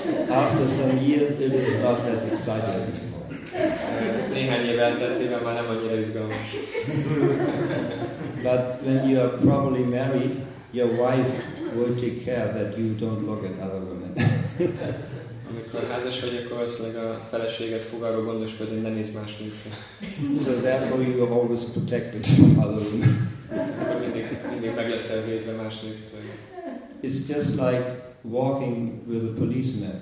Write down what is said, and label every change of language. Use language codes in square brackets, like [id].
[en] After some years it is not that exciting anymore. [hu] Néhány év elteltével már nem annyira izgalmas. [en] But when you are properly married, your wife will take care that you don't look at other women. [hu] Amikor házas vagy, akkor valószínűleg a feleséget fog arról gondoskodni, ne nézz más nőkre. [en] So therefore you are always protected from other women. [hu] mindig meg leszel védve más nőktől. [en] It's just like walking with a policeman.